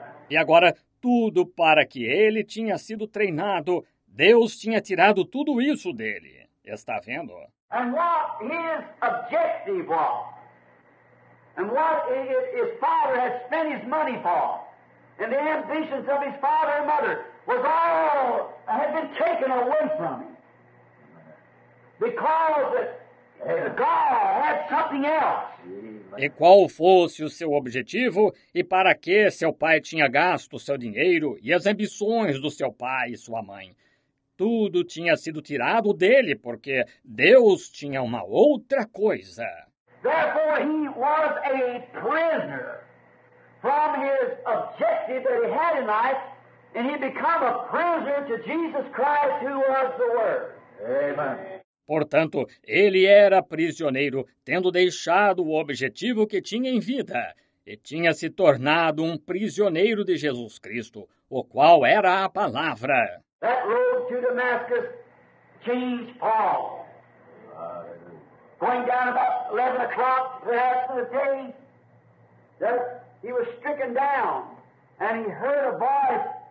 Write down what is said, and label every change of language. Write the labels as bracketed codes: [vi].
[pt] E agora, tudo para que ele tinha sido treinado, Deus tinha tirado tudo isso dele. Está vendo? [en] And what his objective was, and what his father had spent his money for, and the ambitions of his father and mother, was all had been taken away from him because God had something else. [pt] E qual fosse o seu objetivo e para que seu pai tinha gasto seu dinheiro e as ambições do seu pai e sua mãe? Tudo tinha sido tirado dele porque Deus tinha uma outra coisa. [en] Therefore he was a prisoner from his objective that he had in life. And he became a prisoner to Jesus Christ, who was the Word. Amen. [pt] Portanto, ele era prisioneiro, tendo deixado o objetivo que tinha em vida, e tinha se tornado um prisioneiro de Jesus Cristo, o qual era a palavra. [en] That road to Damascus changed Paul. Going down about 11 o'clock, perhaps in the day, that he was stricken down, and he heard a voice.